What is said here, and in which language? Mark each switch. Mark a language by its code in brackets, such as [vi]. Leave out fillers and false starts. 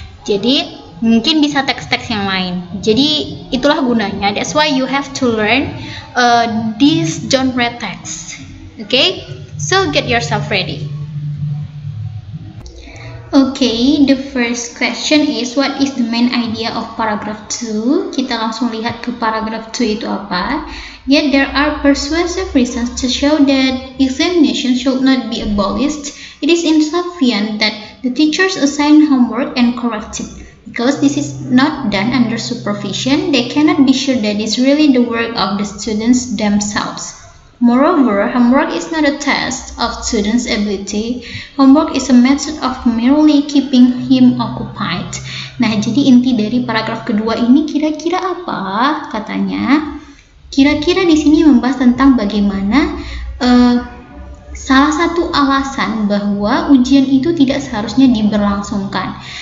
[id] Jadi mungkin bisa teks-teks yang lain. Jadi itulah gunanya. [en] That's why you have to learn this genre text. Okay? So get yourself ready. Okay, the first question is what is the main idea of paragraph 2? [id] Kita langsung lihat ke paragraph 2 itu apa. [en] Yet there are persuasive reasons to show that examination should not be abolished. It is insufficient that the teachers assign homework and correct it. Because this is not done under supervision, they cannot be sure that it's really the work of the students themselves. Moreover, homework is not a test of students' ability. Homework is a method of merely keeping him occupied. [id] Nah, jadi inti dari paragraf kedua ini kira-kira apa katanya? Kira-kira di sini membahas tentang bagaimana salah satu alasan bahwa ujian itu tidak seharusnya diberlangsungkan.